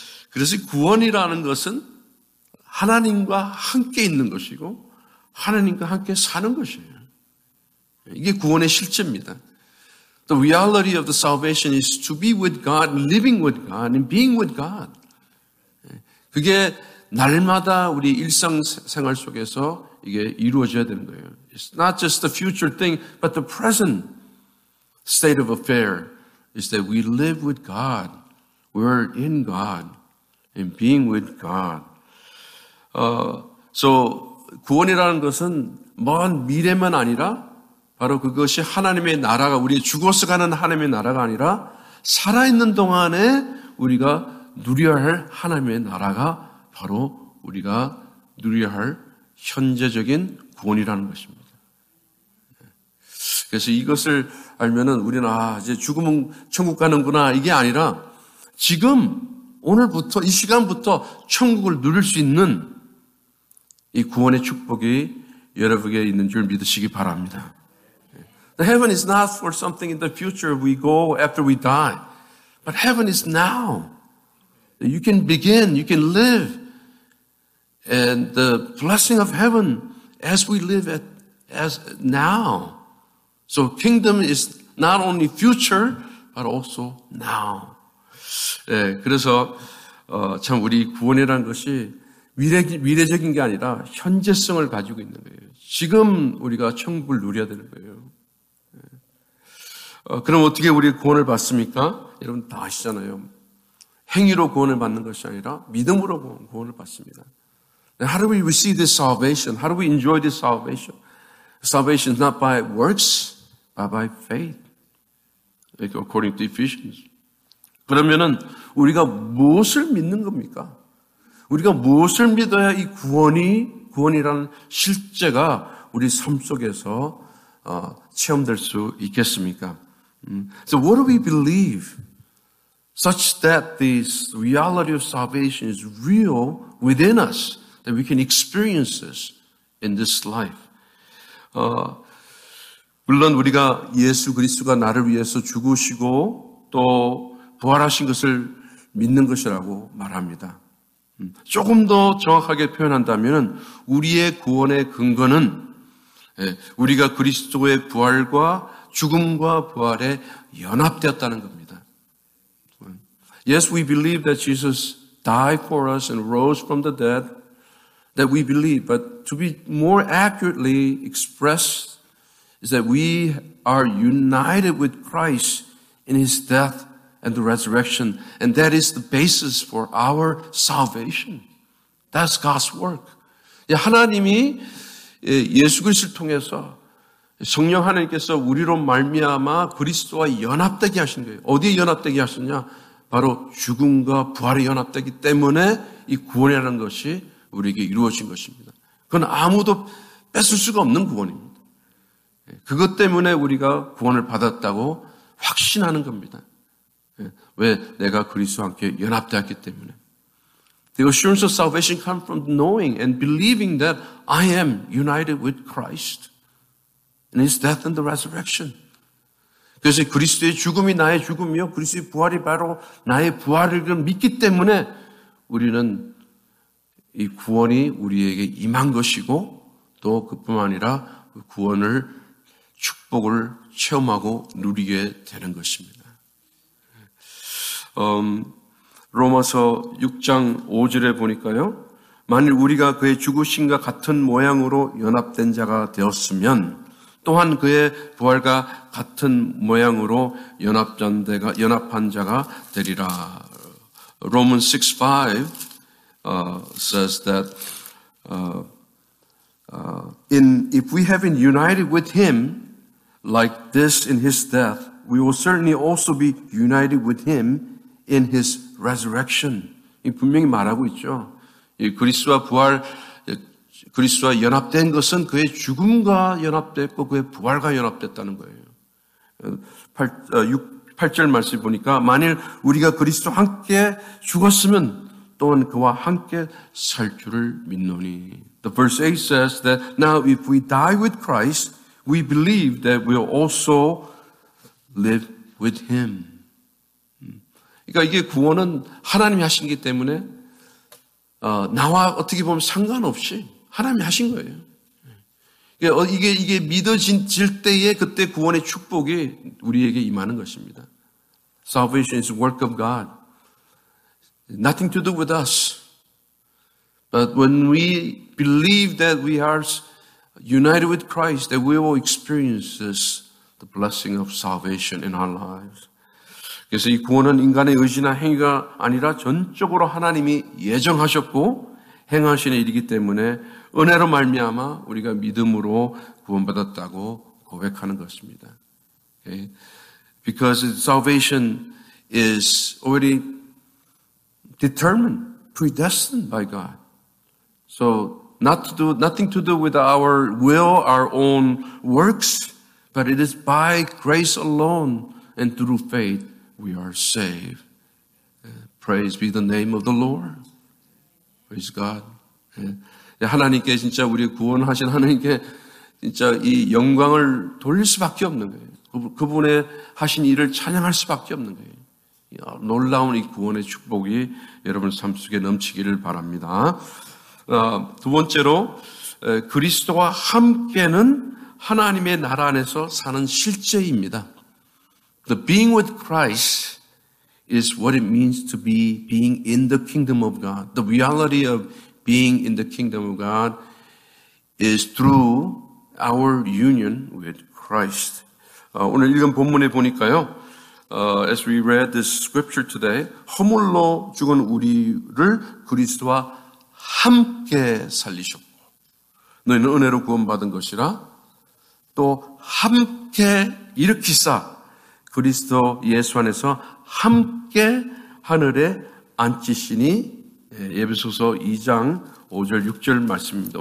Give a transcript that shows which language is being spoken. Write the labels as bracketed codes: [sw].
[ko] 그래서 구원이라는 것은 하나님과 함께 있는 것이고 하나님과 함께 사는 것이에요. 이게 구원의 실체입니다. [en] The reality of the salvation is to be with God, living with God, and being with God. [ko] 그게 날마다 우리 일상생활 속에서 이게 이루어져야 되는 거예요. [en] It's not just the future thing, but the present state of affair is that we live with God. We're in God and being with God. [ko] So 구원이라는 것은 먼 미래만 아니라 바로 그것이 하나님의 나라가 우리 죽어서 가는 하나님의 나라가 아니라 살아있는 동안에 우리가 누려야 할 하나님의 나라가 바로 우리가 누려야 할 현재적인 구원이라는 것입니다. 그래서 이것을 알면은 우리는 아 이제 죽으면 천국 가는구나 이게 아니라 지금 오늘부터 이 시간부터 천국을 누릴 수 있는 이 구원의 축복이 여러분에게 있는 줄 믿으시기 바랍니다. [en] The heaven is not for something in the future we go after we die, but heaven is now. You can begin, you can live, and the blessing of heaven as we live it as now. So kingdom is not only future, but also now. [ko] 예, 그래서 참 우리 구원이라는 것이 미래적인 게 아니라 현재성을 가지고 있는 거예요. 지금 우리가 천국을 누려야 되는 거예요. 그럼 어떻게 우리 구원을 받습니까? 여러분 다 아시잖아요. 행위로 구원을 받는 것이 아니라 믿음으로 구원을 받습니다. [en] How do we receive this salvation? How do we enjoy this salvation? Salvation is not by works, but by faith. Like according to Ephesians. [ko] 그러면은 우리가 무엇을 믿는 겁니까? 우리가 무엇을 믿어야 이 구원이라는 실제가 우리 삶 속에서 체험될 수 있겠습니까? [en] So what do we believe such that this reality of salvation is real within us, that we can experience this in this life? [ko] 물론 우리가 예수 그리스도가 나를 위해서 죽으시고 또 부활하신 것을 믿는 것이라고 말합니다. 조금 더 정확하게 표현한다면 우리의 구원의 근거는 우리가 그리스도의 부활과 죽음과 부활에 연합되었다는 겁니다. [en] Yes, we believe that Jesus died for us and rose from the dead, that we believe. But to be more accurately expressed is that we are united with Christ in his death and the resurrection. And that is the basis for our salvation. That's God's work. [ko] 하나님이 예수 그리스도를 통해서 성령 하나님께서 우리로 말미암아 그리스도와 연합되게 하신 거예요. 어디에 연합되게 하셨냐? 바로 죽음과 부활에 연합되기 때문에 이 구원이라는 것이 우리에게 이루어진 것입니다. 그건 아무도 뺏을 수가 없는 구원입니다. 그것 때문에 우리가 구원을 받았다고 확신하는 겁니다. 왜? 내가 그리스도와 함께 연합되었기 때문에. [en] The assurance of salvation comes from knowing and believing that I am united with Christ. And his death and the resurrection. [ko] 그래서 그리스도의 죽음이 나의 죽음이요. 그리스도의 부활이 바로 나의 부활을 믿기 때문에 우리는 이 구원이 우리에게 임한 것이고 또 그뿐 아니라 구원을, 축복을 체험하고 누리게 되는 것입니다. 로마서 6장 5절에 보니까요. 만일 우리가 그의 죽으심과 같은 모양으로 연합된 자가 되었으면 또한 그의 부활과 같은 모양으로 연합한 자가 되리라. [en] Romans 6:5 says that if we have been united with him like this in his death, we will certainly also be united with him in his resurrection. [ko] 이 분명히 말하고 있죠. 이 그리스도와 부활 그리스도와 연합된 것은 그의 죽음과 연합됐고 그의 부활과 연합됐다는 거예요. 8절 말씀 보니까 만일 우리가 그리스도와 함께 죽었으면 또한 그와 함께 살 줄을 믿노니. [en] The verse 8 says that now if we die with Christ, we believe that we will also live with him. [ko] 그러니까 이게 구원은 하나님이 하신 것이기 때문에 나와 어떻게 보면 상관없이 하나님이 하신 거예요. 이게 믿어질 때에 그때 구원의 축복이 우리에게 임하는 것입니다. [en] Salvation is the work of God. Nothing to do with us. But when we believe that we are united with Christ, that we will experience this, the blessing of salvation in our lives. [ko] 그래서 이 구원은 인간의 의지나 행위가 아니라 전적으로 하나님이 예정하셨고 행하시는 일이기 때문에 은혜로 말미암아 우리가 믿음으로 구원받았다고 고백하는 것입니다. [en] Okay? Because salvation is already determined, predestined by God. So nothing to do with our will, our own works, but it is by grace alone and through faith we are saved. Praise be the name of the Lord. Praise God. Yeah. [ko] 하나님께 진짜 우리 구원하신 하나님께 진짜 이 영광을 돌릴 수밖에 없는 거예요. 그분의 하신 일을 찬양할 수밖에 없는 거예요. 놀라운 이 구원의 축복이 여러분 삶 속에 넘치기를 바랍니다. 두 번째로 그리스도와 함께는 하나님의 나라 안에서 사는 실제입니다. [en] The being with Christ is what it means to be being in the kingdom of God. The reality of being in the kingdom of God is through our union with Christ. [ko] 오늘 읽은 본문에 보니까요, [en] as we read this scripture today, [ko] 허물로 죽은 우리를 그리스도와 함께 살리셨고, 너희는 은혜로 구원받은 것이라, 또 함께 일으키사, 그리스도 예수 안에서 함께 하늘에 앉히시니, 예배소서 2장 5절 6절 말씀입니다.